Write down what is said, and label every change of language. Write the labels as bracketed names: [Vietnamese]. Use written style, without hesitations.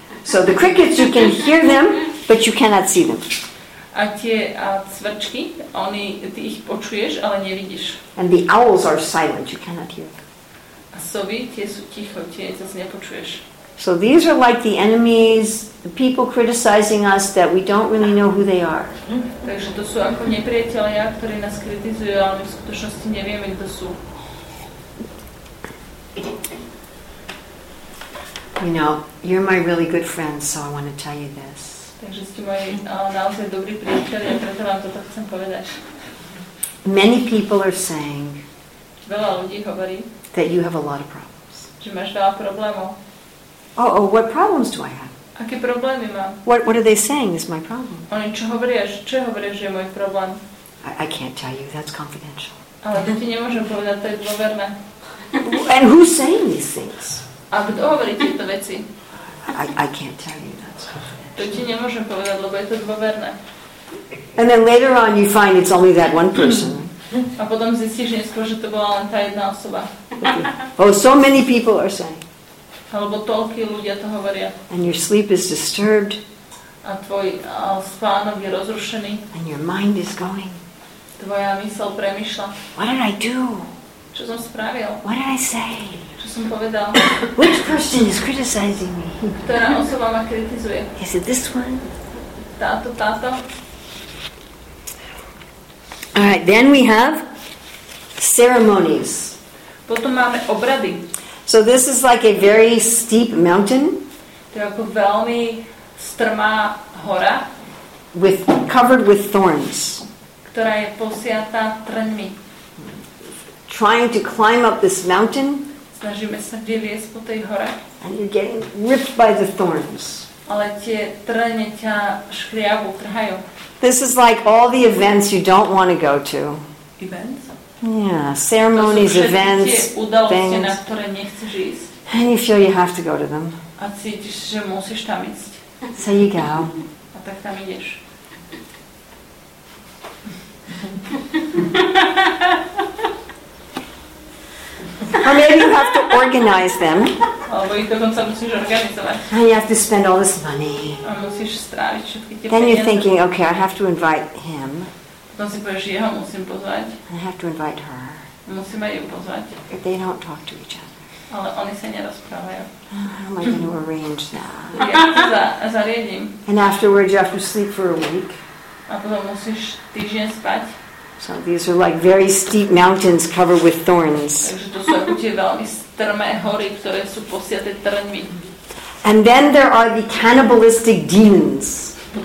[English] So the crickets, you can hear them, but you cannot see them. [Slovak] A tie crčky, oni, ty ich počuješ, ale nevidíš. [English] And the owls are silent, you cannot hear them. [Slovak] A sovy, tie sú ticho, tie zase nepočuješ. [English] So these are like the enemies, the people criticizing us that we don't really know who they are. [Slovak] Takže to sú ako nepriatelia, ktorí nás kritizujú, ale my v skutočnosti nevieme, kto sú. [English] You know, you're my really good friend, so I want to tell you this. [Slovak] Takže ste moji naozaj dobrí priateľi, preto vám toto chcem povedať. [English] Many people are saying, [Slovak] veľa ľudí hovorí, [English] that you have a lot of problems. [Slovak] Že máš veľa problémov. [English] Oh, what problems do I have? [Slovak] Aké problémy mám? [English] What are they saying is my problem? [Slovak] Oni čo hovoria, že je môj problém? [English] I can't tell you, that's confidential. [Slovak] Ale to ti nemôžem povedať, to je dôverné. [English] And who's saying these things? [Slovak] A kto hovorí tieto veci? [English] I can't tell you, that's confidential. [Slovak] To ti nemôžem povedať, lebo je to dôverné. [English] And then later on you find it's only that one person. [Slovak] A potom zistíš neskôr, že to bola len tá jedna osoba. [English] Okay. Oh, so many people are saying. [Slovak] Alebo toľkí ľudia to hovoria. [English] And your sleep is disturbed. [Slovak] A tvoj spánok je rozrušený. [English] And your mind is going. [Slovak] Tvoja mysl premýšľa. [English] What did I do? [Slovak] Čo som spravil? [English] What did I say? [Slovak] Čo som povedal? [English] Which person is criticizing me? [Slovak] Ktorá osoba ma kritizuje? [English] Is it this one? [Slovak] Táto? [English] All right, then we have ceremonies. [Slovak] Potom máme obrady. [English] So this is like a very steep mountain. [Slovak] To je ako veľmi strmá hora. [English] Covered with thorns. [Slovak] Ktorá je posiatá trňmi. [English] Trying to climb up this mountain. [Slovak] Snažíme sa vyliesť po tej hore. [English] And you're getting ripped by the thorns. [Slovak] Ale tie trňe ťa škriabu, trhajú. [English] This is like all the events you don't want to go to. Events? Yeah, ceremonies, events, things. And you feel you have to go to them. [Slovak] A cítiš, že musíš tam ísť. [English] So you go. [Slovak] A tak tam ideš. [English] Or maybe you have to organize them. [Slovak] Alebo ich dokonca musíš organizovať. [English] And you have to spend all this money. [Slovak] A musíš stráviť všetky tie peniaze. [English] You're thinking, okay, I have to invite him. [Slovak] Potom si povieš, jeho musím pozvať. [English] And I have to invite her. [Slovak] Musím aj ju pozvať. [English] But they don't talk to each other. [Slovak] Ale oni sa nerozprávajú. [English] How am I going to arrange that? [Slovak] Zariadím. [English] And afterwards you have to sleep for a week. [Slovak] A potom musíš týždeň spať. [English] So these are like very steep mountains covered with thorns. And then there are the cannibalistic demons.